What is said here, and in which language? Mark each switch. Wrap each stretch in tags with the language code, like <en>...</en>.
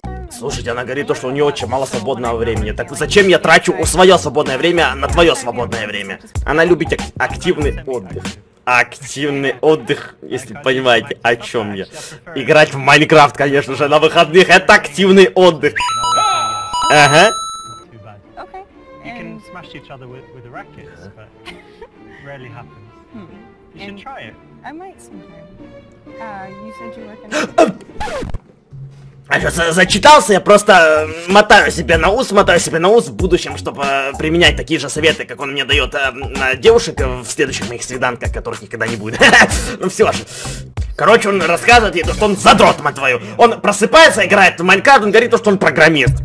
<ru>Слушайте, она говорит то, что у нее очень мало свободного времени. Так зачем я трачу свое свободное время на твое свободное время? Она любит активный отдых. Активный отдых, если понимаете, о чем я. Играть в Майнкрафт, конечно же, на выходных, это активный отдых. Ага. Okay.</ru> <en>You can smash each other with a racket, but rarely happens. You should try it. I might sometime. You said you were gonna...</en> <ru>А что, зачитался? Я просто мотаю себе на ус в будущем, чтобы применять такие же советы, как он мне дает на девушек в следующих моих свиданках, которых никогда не будет. Ну все же. Короче, он рассказывает ей то, что он задрот, мать твою. Он просыпается, играет в Майнкрафт, он говорит то, что он программист.</ru>